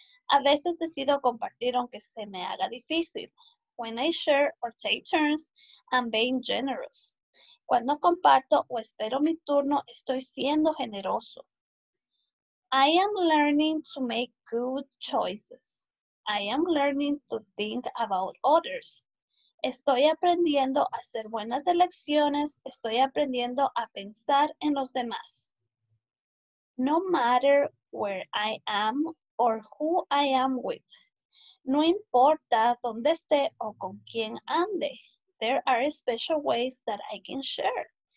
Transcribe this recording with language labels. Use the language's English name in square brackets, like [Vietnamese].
[Spanish] A veces decido compartir aunque se me haga difícil. [English] When I share or take turns, I'm being generous. [Spanish] Cuando comparto o espero mi turno, estoy siendo generoso. [English] I am learning to make good choices. I am learning to think about others. [Spanish] Estoy aprendiendo a hacer buenas elecciones. Estoy aprendiendo a pensar en los demás. [English] No matter where I am or who I am with. [Spanish] No importa dónde esté o con quién ande. [English] There are special ways that I can share.